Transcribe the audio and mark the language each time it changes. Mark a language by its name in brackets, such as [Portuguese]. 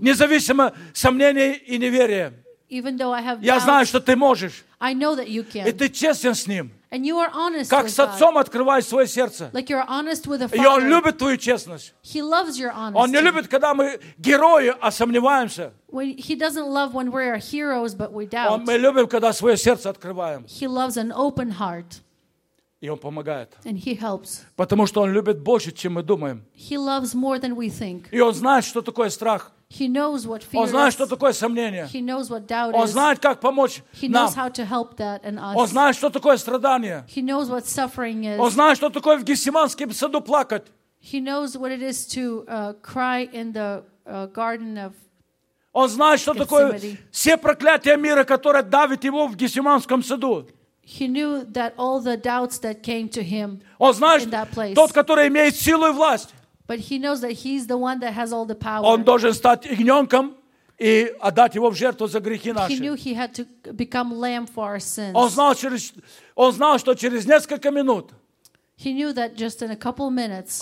[Russian] Независимо сомнений и неверия. [English] Even though I have [Russian] я [English] doubts, [Russian] знаю, что Ты можешь. [English] I know that you can. [Russian] И Ты честен с Ним. [English] And you are honest [Russian] как [English] with [Russian] с Отцом открываешь свое сердце. [English] Like you're honest with a father. [Russian] И Он любит Твою честность. [English] He loves your honesty. [Russian] Он не любит, когда мы герои, а сомневаемся. [English] When he doesn't love when we are heroes, but we doubt. [Russian] Он, мы любим, когда свое сердце открываем. [English] He loves an open heart. [Russian] И Он помогает. [English] And he helps. [Russian] Потому что Он любит больше, чем мы думаем. [English] He loves more than we think. [Russian] И Он знает, что такое страх. [English] He knows what fear [Russian] Он знает, [English] is. [Russian] Что такое сомнение. [English] He knows what doubt [Russian] Он [English] is. [Russian] Знает, как помочь [English] he [Russian] нам. [English] Knows how to help that and us. [Russian] Он знает, что такое страдание. [English] He knows what suffering is. [Russian] Он знает, что такое в Гефсиманском саду плакать. [English] He knows what it is to cry in the garden of [Russian] Он знает, что такое все проклятия мира, которые давят его в Гефсиманском саду. [English] He knew that all the doubts that came to him [Russian] он знает, [English] in that place. [Russian] Тот, который имеет силу и власть. [English] But he knows that he's the one that has all the power. [Russian] Он должен стать ягненком и отдать его в жертву за грехи наши. [English] He knew he had to become lamb for our sins. [Russian] Он знал, что через несколько минут [English] he knew that just in a couple minutes